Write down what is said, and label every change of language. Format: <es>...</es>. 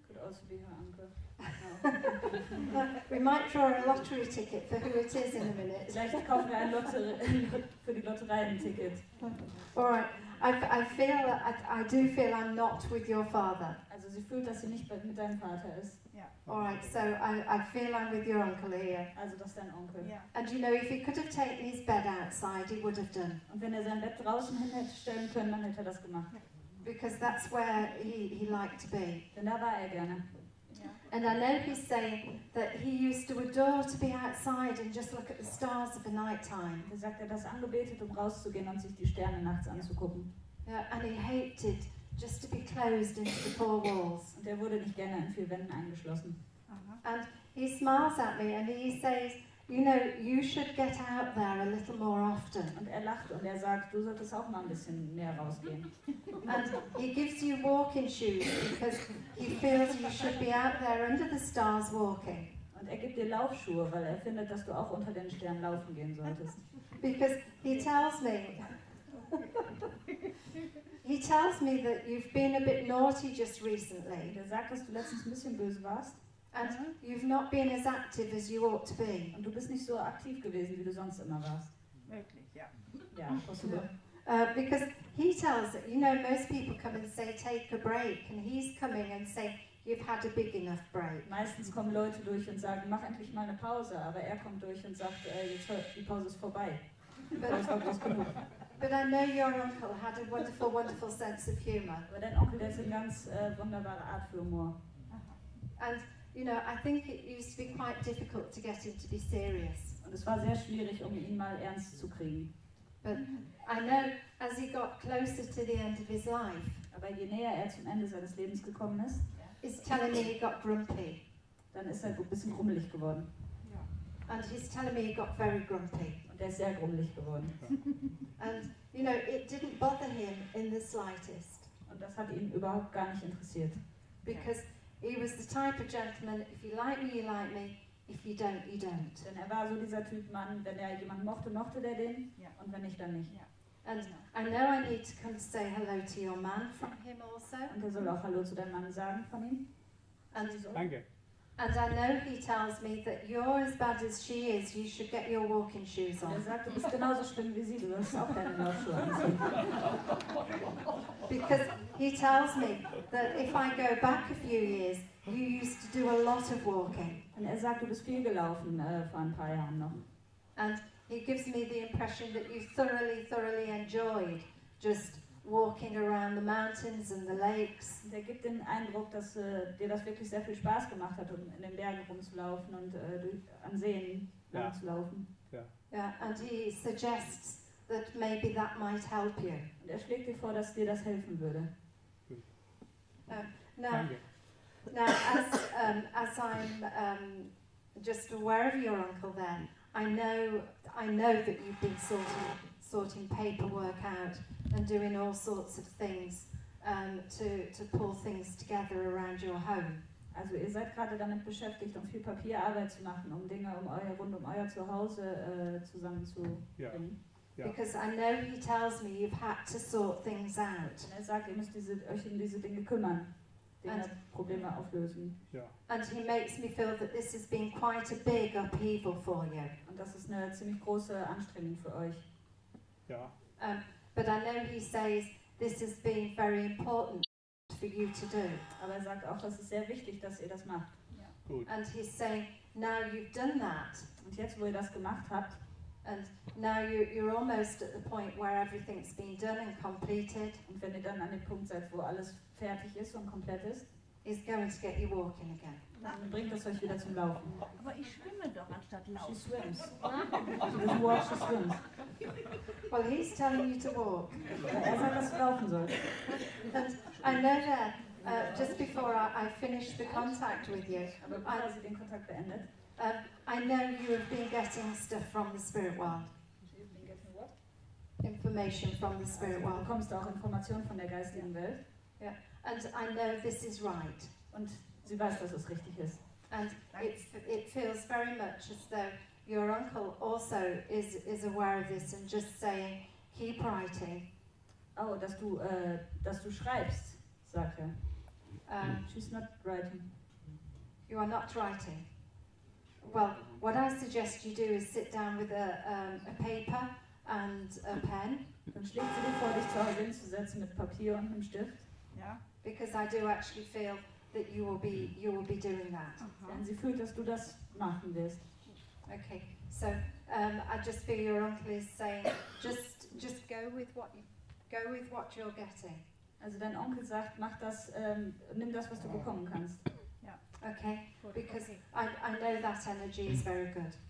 <en>Could also be her uncle. We might draw a lottery ticket for who it is in a minute.</en> <de>Vielleicht kaufen wir ein für die Lotterei ein Ticket.</de> <en>All right. I feel I'm not with your father.</en> <de>Also sie fühlt, dass sie nicht mit deinem Vater ist.</de> <en>Yeah. All right, so I feel I'm with your uncle here.</en> <de>Also das ist dein Onkel.</de> <en>Yeah. And you know, if he could have taken his bed outside, he would have done.</en> <de>Und wenn er sein Bett draußen hin hätte stellen können, dann hätte er das gemacht.</de> <en>Yeah. Because that's where he liked to be.</en> <de>Denn da war er gerne.</de> <en>And I know he's saying that he used to adore to be outside and just look at the stars of the night time.</en> <de>Er sagt, er hat das angebetet, um rauszugehen und sich die Sterne nachts anzugucken.</de> <en>Yeah, and he hated just to be closed into the four walls.</en> <de>Und er wurde nicht gerne in vier Wänden eingeschlossen. Uh-huh.</de> <en>And he smiles at me and he says, you know, you should get out there a little more often.</en> <de>Und er lacht und er sagt, du solltest auch mal ein bisschen mehr rausgehen.</de> <en>And he gives you walking shoes because he feels you should be out there under the stars walking.</en> <de>Und er gibt dir Laufschuhe, weil er findet, dass du auch unter den Sternen laufen gehen solltest.</de> <en>Because he tells me. He tells me that you've been a bit naughty just recently.</en> <de>Er sagt, dass du letztens ein bisschen böse warst.</de> <en>And you've not been as active as you ought to be.</en> <de>Und du bist nicht so aktiv gewesen, wie du sonst immer warst. Wirklich, ja. Ja, possible.</de> <en>Because he tells that, you know, most people come and say, take a break. And he's coming and say, you've had a big enough break.</en> <de>Meistens kommen Leute durch und sagen, mach endlich mal eine Pause. Aber er kommt durch und sagt, die Pause ist vorbei.</de> <en>But I know your uncle had a wonderful, wonderful sense of humor.</en> <de>Aber dein Onkel, der hat eine ganz wunderbare Art für Humor.</de> <en>And, you know, I think it used to be quite difficult to get him to be serious.</en> <de>Und es war sehr schwierig, ihn mal ernst zu kriegen.</de> <en>But I know, as he got closer to the end of his life,</en> <de>aber je näher zum Ende seines Lebens gekommen ist,</de> <en>he's telling me he got grumpy.</en> <de>Dann ist ein bisschen grummelig geworden.</de> <en>Yeah. And he's telling me he got very grumpy.</en> <de>Und ist sehr grummelig geworden.</de> <en>And, you know, it didn't bother him in the slightest.</en> <de>Und das hat ihn überhaupt gar nicht interessiert.</de> <en>Because he was the type of gentleman, if you like me, if you don't, you don't.</en> <de>Denn er war so dieser Typ Mann, wenn jemanden mochte, mochte den.</de> <en>Yeah.</en> <de>Und wenn nicht, dann nicht.</de> <en>Yeah. And I know I need to come to say hello to your man from him also.</en> <de>Und soll auch hallo zu deinem Mann sagen von ihm.</de> <en>And</en> <de>danke.</de> <en>And I know he tells me that you're as bad as she is, you should get your walking shoes on.</en> <de>Er sagt, du bist genauso schlimm wie sie, du musst auch deine Laufschuhe anziehen.</de> <en>Because he tells me that if I go back a few years, you used to do a lot of walking.</en> <de>Und sagt, du bist viel gelaufen vor ein paar Jahren noch.</de> <en>And he gives me the impression that you thoroughly, thoroughly enjoyed just walking around the mountains and the lakes.</en> <de>Der gibt den Eindruck, dass dir das wirklich sehr viel Spaß gemacht hat, in den Bergen rumzulaufen und an Seen rumzulaufen.</de> <en>Yeah. Yeah. And he suggests that maybe that might help you.</en> <de>Und schlägt dir vor, dass dir das helfen würde.</de> <en>Now, as I'm just aware of your uncle then, I know that you've been sorting paperwork out and doing all sorts of things to pull things together around your home.</en> <de>Also ihr seid gerade damit beschäftigt, viel Papierarbeit zu machen, Dinge rund euer Zuhause zusammen zu bringen.</de> <en>Yeah. Because I know he tells me you've had to sort things out.</en> <de>Und sagt, ihr müsst euch diese Dinge kümmern. Dinge, Probleme auflösen.</de> <en>Yeah. And he makes me feel that this has been quite a big upheaval for you.</en> <de>Und das ist eine ziemlich große Anstrengung für euch.</de> <en>Yeah. But I know he says this has been very important for you to do.</en> <de>Aber sagt auch, das ist sehr wichtig, dass das macht.</de> <en>Yeah. Good. And he's saying, now you've done that.</en> <de>Und jetzt, wo das gemacht habt.</de> <en>And now you're almost at the point where everything's been done and completed.</en> <de>Und wenn dann an dem Punkt seid, wo alles fertig ist und komplett ist,</de> <en>is going to get you walking again.</en> <de>Dann bringt das euch wieder zum Laufen. Aber ich schwimme doch anstatt laufen.</de> <en>She swims. She walks, she swims. Well, he's telling you to walk.</en> <de>Er sagt, dass du laufen sollst.</de> <en>And I know that just before I finish the contact with you.</en> <de>Aber bevor sie den Kontakt beendet.</de> <en>I know you have been getting stuff from the spirit world. You've been getting what? Information from the spirit world.</en> <de>Du bekommst auch Informationen von der geistigen Welt.</de> <en>Yeah. And I know this is right.</en> <de>Und sie weiß, dass es richtig ist.</de> <en>And it feels very much as though your uncle also is aware of this and just saying, keep writing.</en> <de>Oh, dass du schreibst, sagt er.</de> <en>She's not writing. You are not writing. Well, what I suggest you do is sit down with a paper and a pen.</en> <de>Dann schlägt sie dir vor, dich zu Hause hinzusetzen mit Papier und einem Stift. Ja.</de> <en>Because I do actually feel that you will be doing that. Uh-huh.</en> <de>Denn sie fühlt, dass du das machen wirst.</de> <en>Okay. So I just feel your uncle is saying, just go with what you're getting.</en> <de>Also dein Onkel sagt, mach das, nimm das, was du bekommen kannst.</de> <en>Okay, because I know that energy is very good.</en>